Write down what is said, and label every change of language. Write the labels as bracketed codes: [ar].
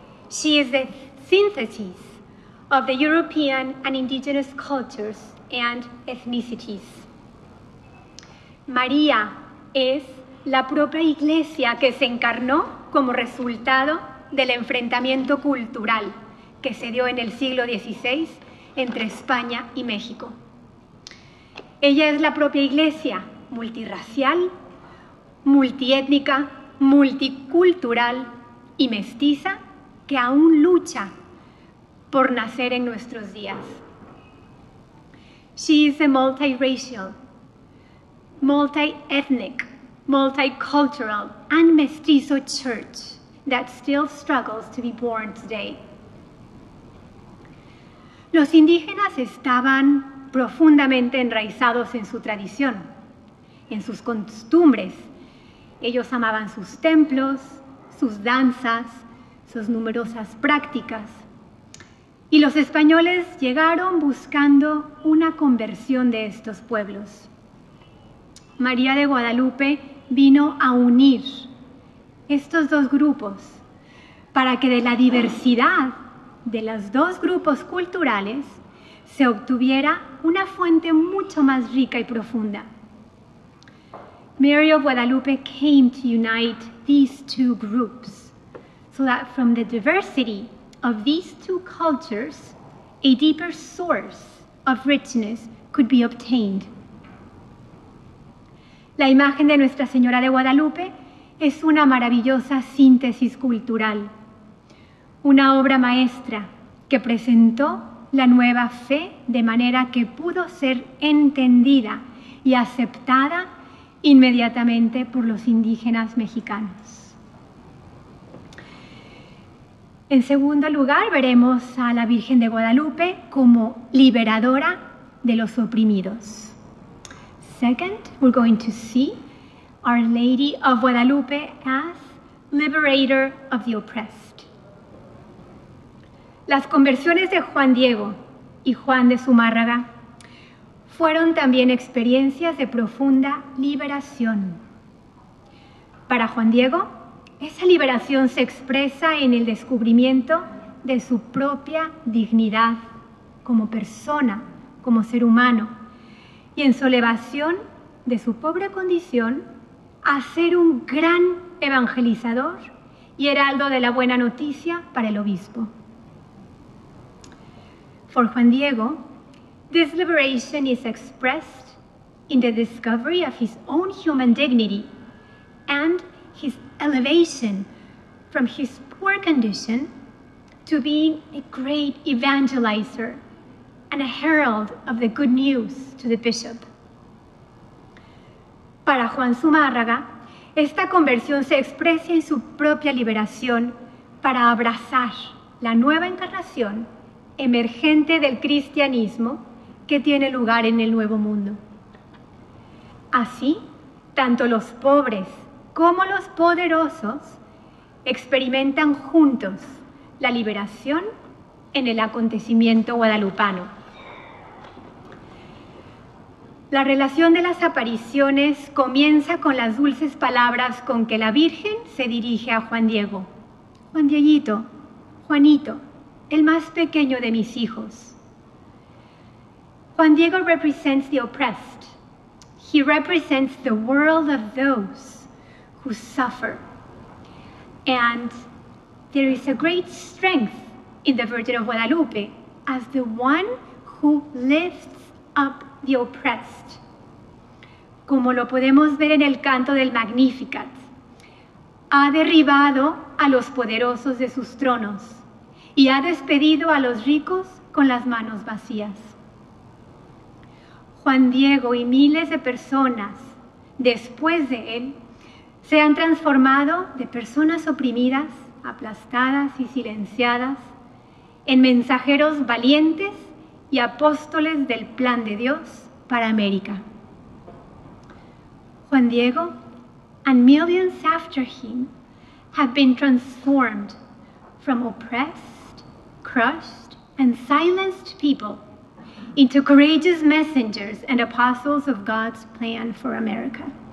[en] She is the synthesis of the European and indigenous cultures and ethnicities. [es] María es la propia iglesia que se encarnó como resultado del enfrentamiento cultural que se dio en el siglo XVI entre España y México. Ella es la propia iglesia multirracial, multiétnica, multicultural y mestiza que aún lucha por nacer en nuestros días. [en] She is a multiracial, multiethnic, multicultural and mestizo church that still struggles to be born today. [es] Los indígenas estaban profundamente enraizados en su tradición, en sus costumbres. Ellos amaban sus templos, sus danzas, sus numerosas prácticas. Y los españoles llegaron buscando una conversión de estos pueblos. María de Guadalupe vino a unir estos dos grupos para que de la diversidad de los dos grupos culturales se obtuviera una fuente mucho más rica y profunda. [en] Mary of Guadalupe came to unite these two groups so that from the diversity of these two cultures, a deeper source of richness could be obtained. [es] La imagen de Nuestra Señora de Guadalupe es una maravillosa síntesis cultural, una obra maestra que presentó la nueva fe de manera que pudo ser entendida y aceptada inmediatamente por los indígenas mexicanos. En segundo lugar, veremos a la Virgen de Guadalupe como liberadora de los oprimidos. [en] Second, we're going to see Our Lady of Guadalupe as liberator of the oppressed. [es] Las conversiones de Juan Diego y Juan de Zumárraga fueron también experiencias de profunda liberación. Para Juan Diego, esa liberación se expresa en el descubrimiento de su propia dignidad como persona, como ser humano, y en su elevación de su pobre condición a ser un gran evangelizador y heraldo de la buena noticia para el obispo. [en] For Juan Diego, This liberation is expressed in the discovery of his own human dignity and his elevation from his poor condition to being a great evangelizer and a herald of the good news to the bishop. [es] Para Juan Zumárraga, esta conversión se expresa en su propia liberación para abrazar la nueva encarnación emergente del cristianismo que tiene lugar en el nuevo mundo. Así, tanto los pobres como los poderosos experimentan juntos la liberación en el acontecimiento guadalupano. La relación de las apariciones comienza con las dulces palabras con que la Virgen se dirige a Juan Diego. Juan Dieguito, Juanito, el más pequeño de mis hijos. [en] Juan Diego represents the oppressed. He represents the world of those who suffer. And there is a great strength in the Virgin of Guadalupe as the one who lifts up the oppressed. [es] Como lo podemos ver en el canto del Magnificat, ha derribado a los poderosos de sus tronos y ha despedido a los ricos con las manos vacías. Juan Diego y miles de personas después de él se han transformado de personas oprimidas, aplastadas y silenciadas en mensajeros valientes y apóstoles del plan de Dios para América. [en] Juan Diego and millions after him have been transformed from oppressed, crushed, and silenced people into courageous messengers and apostles of God's plan for America.